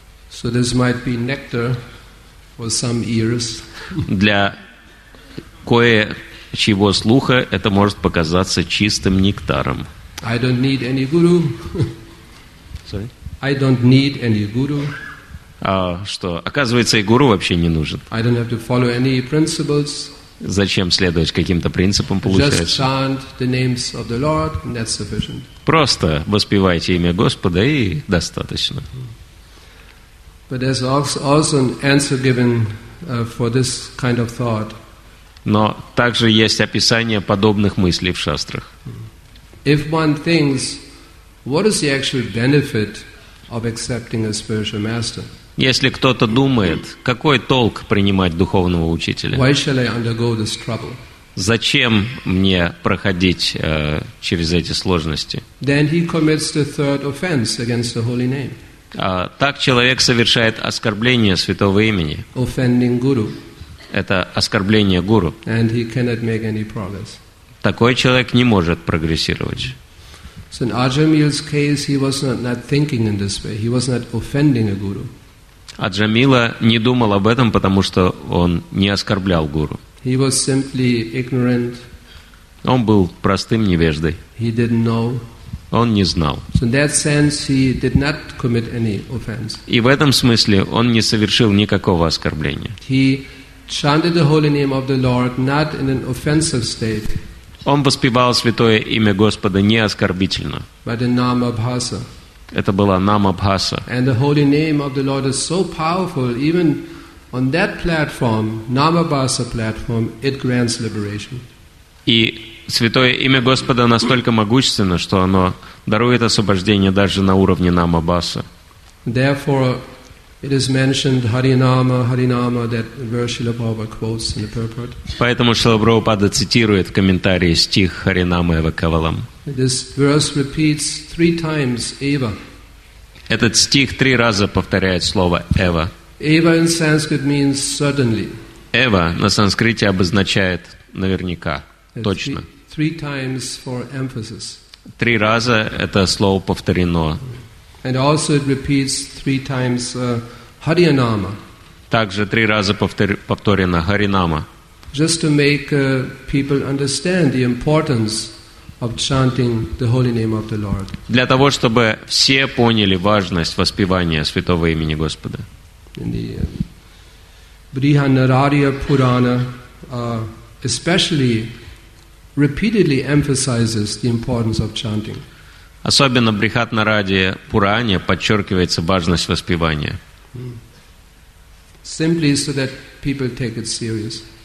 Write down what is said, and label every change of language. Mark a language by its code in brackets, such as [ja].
[en] So this might be nectar for some ears. [ru] Для кое-чего слуха это может показаться чистым нектаром. [en] I don't need any guru. Sorry? I don't need any guru. [ru] А что? Оказывается, и гуру вообще не нужен. [en] I don't have to follow any principles. [ru] Зачем следовать каким-то принципам, получается? [en] Just chant the names of the Lord, and that's sufficient. [ru] Просто воспевайте имя Господа, и достаточно. [en] But there's also an answer given for this kind of thought. [ru] Но также есть описание подобных мыслей в шастрах. [en] If one thinks, what is the actual benefit of accepting a spiritual master? [ru] Если кто-то думает, какой толк принимать духовного учителя? [en] Why shall I undergo this trouble? [ru] Зачем мне проходить через эти сложности? [en] Then he commits the third offense against the holy name. [ru] Так человек совершает оскорбление святого имени. [en] Offending guru. [ru] Это оскорбление гуру. [en] And he cannot make any progress. [ru] Такой человек не может прогрессировать. [en] So in Ajamil's case, he was not thinking in this way. He was not offending a guru. [ru] Аджамила не думал об этом, потому что он не оскорблял гуру. [en] He was simply ignorant. [ru] Он был простым невеждой. [en] He didn't know. [ru] Он не знал. [en] So in that sense, he did not commit any offense. [ru] И в этом смысле он не совершил никакого оскорбления. [en] He chanted the holy name of the Lord not in an offensive state. [ru] Он воспевал святое имя Господа не оскорбительно. [en] But in Namabhasa. [ru] Это была Намабхаса. [en] And the holy name of the Lord is so powerful, even on that platform, Namabhasa platform, it grants liberation. [ru] И святое имя Господа настолько могущественно, что оно дарует освобождение даже на уровне Намабхаса. [en] Therefore, it is mentioned Харинама, Харинама, that verse Шрила Прабхупада quotes in the purport. [ru] Поэтому Шрила Прабхупада цитирует в комментарии стих Харинама Эва Кавалам. [en] This verse repeats three times Eva. [ru] Этот стих три раза повторяет слово Эва. [en] Eva in Sanskrit means certainly. [ru] Эва на санскрите обозначает наверняка, точно. [en] Three times for emphasis. [ru] Три раза это слово повторено. [en] And also it repeats three times Харинама. [ru] Также три раза повторено Харинама. [en] Just to make people understand the importance of chanting the holy name of the Lord. [ru] Для того, чтобы все поняли важность воспевания святого имени Господа. [en] In the Brihadaranyaka Purana especially repeatedly emphasizes the importance of chanting. [ru] Особенно Брихаднараде Пуране подчеркивается важность воспевания. [en] Simply so that people take it serious.